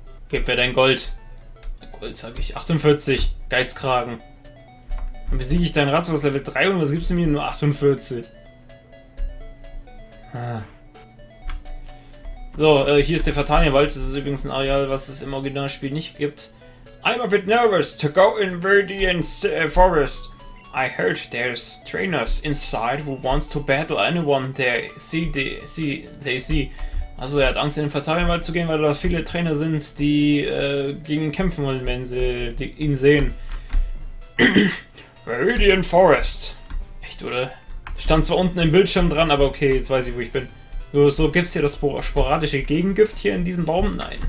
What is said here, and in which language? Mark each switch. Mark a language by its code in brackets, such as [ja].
[de] Gib mir dein Gold. Gold sag ich. 48. Geizkragen. Dann besiege ich dein Ratsuchers Level 3 und was gibst du mir? Nur 48. So, hier ist der Fatania-Wald. Das ist übrigens ein Areal, was es im Originalspiel nicht gibt. [en] I'm a bit nervous to go in Viridian's Forest. I heard there's trainers inside who wants to battle anyone they see. [de] Also er hat Angst in den Fatania-Wald zu gehen, weil da viele Trainer sind, die gegen ihn kämpfen wollen, wenn sie ihn sehen. Viridian Forest. Echt, oder? Stand zwar unten im Bildschirm dran, aber okay, jetzt weiß ich, wo ich bin. So gibt's hier das sporadische Gegengift hier in diesem Baum? Nein.